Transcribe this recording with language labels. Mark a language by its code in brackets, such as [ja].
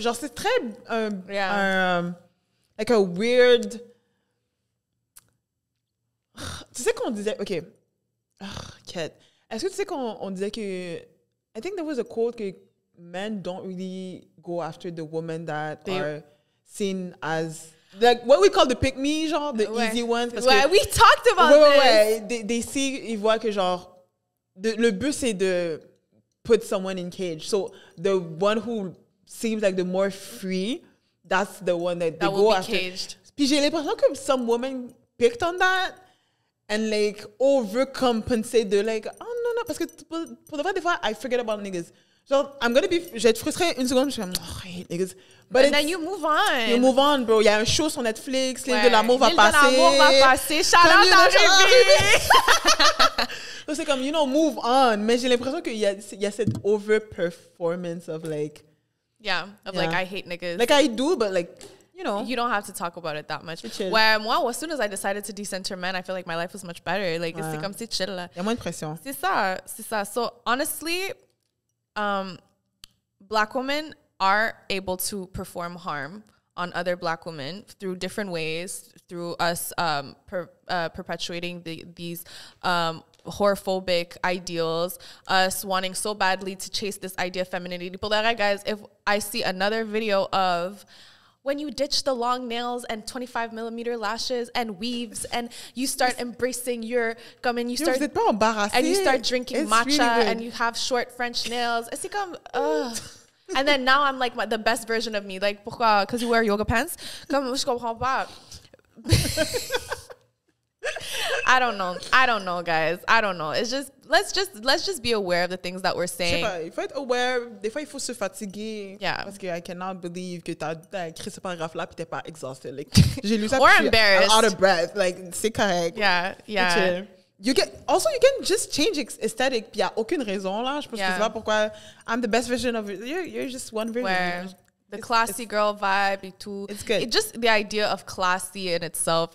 [fr] Genre, c'est très, [en] like a weird, [fr] tu sais qu'on disait, ok, quête. Est-ce que tu sais qu'on disait que, [en] I think there was a quote that men don't really go after the women that are seen as, like, what we call the pick me, [fr] genre, [en] the easy ones. [fr] Parce que, [en] we talked about this. They see, [fr] ils voient que, genre, le but, c'est de [en] put someone in cage. So the one who seems like the more free, that's the one that they go after. That will be caged. [fr] Puis j'ai l'impression que [en] some women picked on that. And like overcompensate, they're like, oh no, no, because for the fact, I forget about niggas. [fr] Genre, [en] I'm gonna be, [fr] je vais être frustrée une seconde, je vais oh, hey, niggas. [en] But and then you move on. You move on, bro. [fr] Il y a un show sur Netflix, ouais. L'île de l'amour va passer. L'île de l'amour va passer. [en] Shout out [fr] à Rémi. Donc, c'est comme, [en] you know, move on. [fr] Mais j'ai l'impression qu'il y a, il y a cette [en] over-performance of like... Yeah, of yeah. Like, I hate niggas. Like, I do, but like... You know, you don't have to talk about it that much. Where [fr] moi, [en] as soon as I decided to decenter men, I feel like my life was much better. Like, [fr] ouais. C'est comme si [en] chill. [fr] Y a moins de pression. C'est ça, c'est ça. [en] So honestly, black women are able to perform harm on other black women through different ways, through us perpetuating these horophobic ideals, us wanting so badly to chase this idea of femininity. But like, guys, if I see another video of when you ditch the long nails and 25 millimeter lashes and weaves and you start embracing your gum and you start [fr] vous êtes pas embarrassée. [en] And you start drinking it's matcha really good. And you have short French nails. It's like, and then now I'm like the best version of me. Like, [fr] pourquoi? [en] Because you wear yoga pants? [fr] Comme, je comprends pas. [en] I don't know. I don't know, guys. I don't know. It's just, let's just be aware of the things that we're saying. [fr] Je sais pas, il faut être aware. Des fois, il faut se fatiguer. [en] Yeah. [fr] Parce que [en] I cannot believe [fr] que t'as écrit ce paragraphe-là puis t'es pas exhausted. [en] Like, [fr] j'ai lu ça. [en] Or embarrassed. I'm out of breath. Like, [fr] c'est correct. [en] Yeah, yeah. You can also you can just change aesthetic. [fr] Y a aucune raison là. Je pense yeah. Que c'est pas pourquoi. [en] I'm the best version of you. You're just one version. Where the classy it's, girl vibe [fr] et tout. [en] It's good. It just the idea of classy in itself.